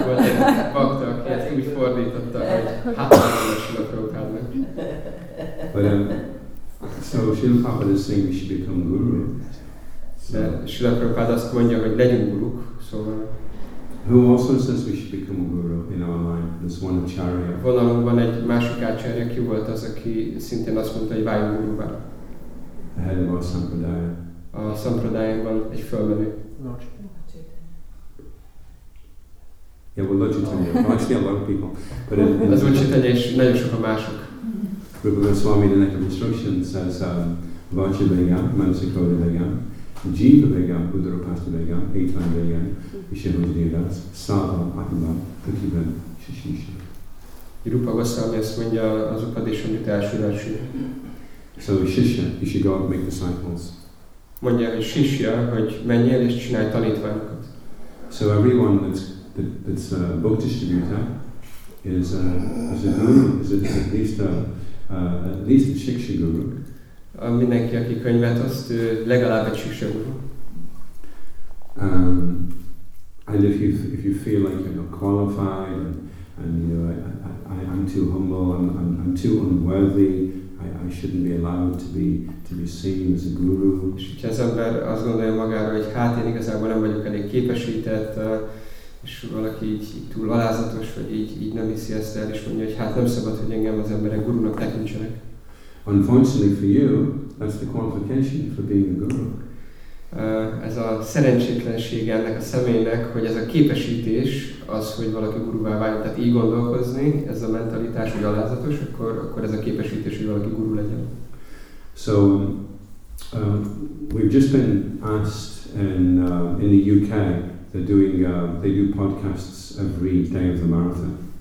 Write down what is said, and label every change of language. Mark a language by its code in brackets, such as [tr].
[hu] Volt egy baktak, ezt úgy fordította, hogy hátra Srila Prabhupádnak. [en] So Srila Prabhupada is saying we should become guru. [hu] So Srila Prabhupada azt mondja, hogy legyünk guruk. Szóval. [en] Who also says we should become a guru in our line? There's one acharya. [hu] Valamint van egy másik acharya, ki volt az, aki szintén azt mondta, hogy váljunk guruvá. [en] The head of our sampradaya. [hu] A sampradayában egy fölmenő. [en] Yeah, well, Lord Chaitanya. Actually, a lot of people. But [hu] az Lord Chaitanya és nagyon sokan mások. Rupa Goswami, the Neck of Instruction, says Vajra Vegam, Manasikoda Vegam, Jiva Vegam, Udara Pasta Vegam, Etan Vegam, Vishenudhidas, Sava, Ahimam, Kukiban, Shishisha. Rupa Goswami azt mondja az upadésom, hogy te elsődási. [en] So Shishya, you should go out and make disciples. [hu] Mondja, hogy Shishya, hogy menjél és csinálj tanítványokat. [en] So everyone that's a book distributor is at least a Shiksha Guru. [hu] Mindenki, aki könyvet oszt, legalább egy Shiksha Guru. [en] And if you feel like you're not qualified and I'm too humble, I'm too unworthy, I shouldn't be allowed to be seen as a guru. [hu] És hogyha az ember azt gondolja magára, hogy hát én igazából nem vagyok elég képesített, és valaki így túl alázatos, vagy így nem hiszi ezt el, és mondja, hogy hát nem szabad, hogy engem az emberek gurunak tekintsenek. [en] Unfortunately for you, that's the qualification for being a guru. [hu] Ez a szerencsétlenség ennek a személynek, hogy ez a képesítés az, hogy valaki guruvá váljon. Tehát így gondolkozni, ez a mentalitás, hogy alázatos, akkor ez a képesítés, hogy valaki guru legyen. [en] So, we've just been asked in the UK, they do podcasts every day of the marathon.